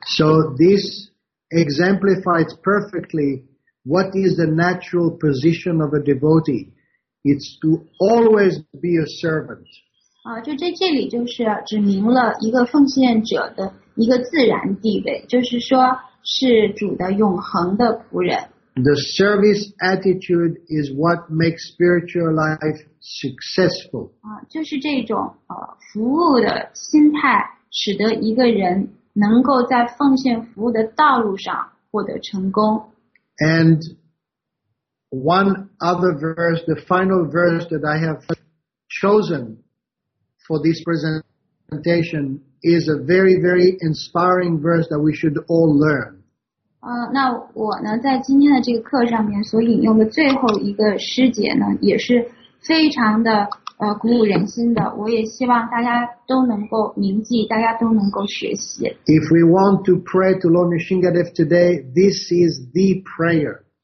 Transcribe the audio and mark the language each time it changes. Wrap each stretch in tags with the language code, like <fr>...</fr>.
<en>So this exemplifies perfectly what is the natural position of a devotee. It's to always be a servant.</en> <zh>就在这里就是指明了一个奉献者的一个自然地位，就是说是主的永恒的仆人。</zh> <en>The service attitude is what makes spiritual life successful.</en> <zh>就是这种服务的心态使得一个人能够在奉献服务的道路上获得成功。</zh> <en>And one other verse, the final verse that I have chosen for this presentation is a very, very inspiring verse that we should all learn.</en> <zh>那我呢在今天的这个课上面所引用的最后一个诗节呢也是非常的鼓舞人心的，我也希望大家都能够铭记，大家都能够学习。</zh> <en>If we want to pray to Lord Nisshinadev today, this is the prayer.</en>